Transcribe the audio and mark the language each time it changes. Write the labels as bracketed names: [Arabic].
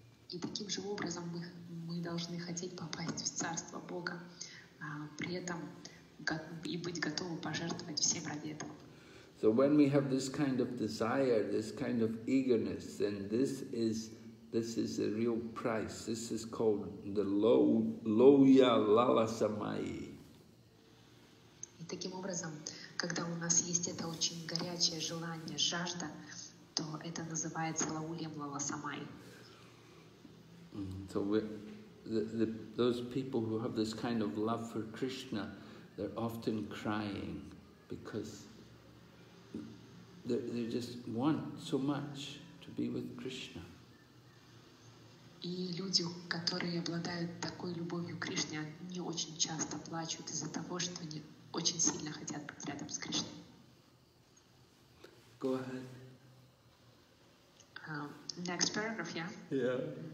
[Russian] И таким же образом мы должны хотеть попасть в Царство Бога, при этом и быть готовы пожертвовать всем ради этого. [English] So when we have this kind of desire, this kind of eagerness, then this is a real price. This is called the loya lalasamayi. [Russian] И таким образом, когда у нас есть это очень горячее желание, жажда, то это называется лаульем лаласамай. [English] So those people who have this kind of love for Krishna, they're often crying because they just want so much to be with Krishna. [Russian] И люди, которые обладают такой любовью к Кришне, они очень часто плачут из-за того, что они очень сильно хотят быть рядом с Кришной. [English] Go ahead. Next paragraph, yeah? Yeah.